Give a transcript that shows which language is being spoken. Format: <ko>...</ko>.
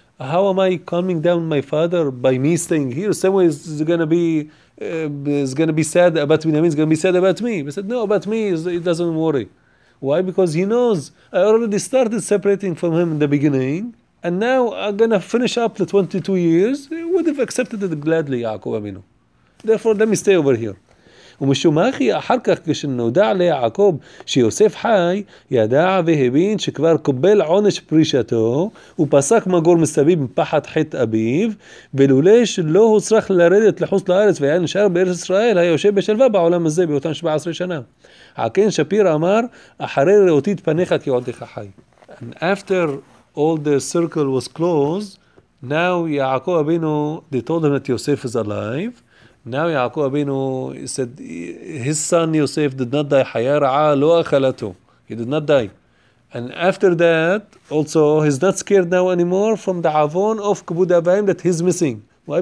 <en>How am I calming down my father by me staying here? Some way is going to be sad about Binyamin. It's going to be sad about me. He said, no, about me, it doesn't worry. Why? Because he knows I already started separating from him in the beginning. And now I'm going to finish up the 22 years. He would have accepted it gladly, Yaakov Avinu. Therefore, let me stay over here.</en> <he>ומשום אחי אחר כך כשנודע ליעקב שיוסף חי ידע והבין שכבר קבל עונש פרישתו ופסק מגור מסביב מפחד חטא אביו ולולא שלא הוא צריך לרדת לחוץ לארץ והיה נשאר בארץ ישראל היה יושב בשלווה בעולם הזה באותן 17 שנה. עקן שפיר אמר אחרי ראותי את פניך כי עודך חי.</he> <en>And after all the circle was closed, now יעקב אבינו they told him that יוסף is alive. Now Yaakov Avinu said his son Yosef did not die.</en> <he>Hayara'a lo akhalatu.</he> <en>He did not die. And after that, also, he's not scared now anymore from the avon of Kibud Avayim that he's missing. Why?</en>